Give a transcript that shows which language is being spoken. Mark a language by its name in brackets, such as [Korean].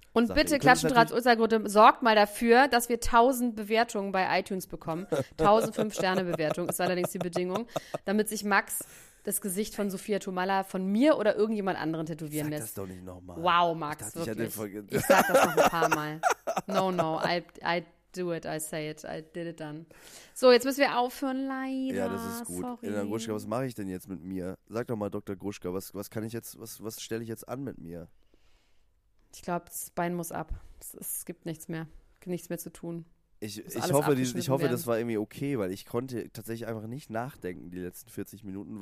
[German] Und bitte, Klatschentratz Ultragrote, sorgt mal dafür, dass wir 1000 Bewertungen bei iTunes bekommen. 1000 5-Sterne-Bewertungen ist allerdings die Bedingung, damit sich Max das Gesicht von Sophia Tomalla von mir oder irgendjemand anderen tätowieren lässt. Sag das doch nicht nochmal. Wow, Max, ich dachte, wirklich. Ich sag das noch ein paar Mal. [English] No, I do it, I say it, I did it done. [German] So, jetzt müssen wir aufhören, leider. Ja, das ist gut. Elena Gruschka, was mache ich denn jetzt mit mir? Sag doch mal, Dr. Gruschka, was kann ich jetzt, was stelle ich jetzt an mit mir? Ich glaube, das Bein muss ab. Es gibt nichts mehr zu tun. Ich hoffe, das war irgendwie okay, weil ich konnte tatsächlich einfach nicht nachdenken die letzten 40 Minuten.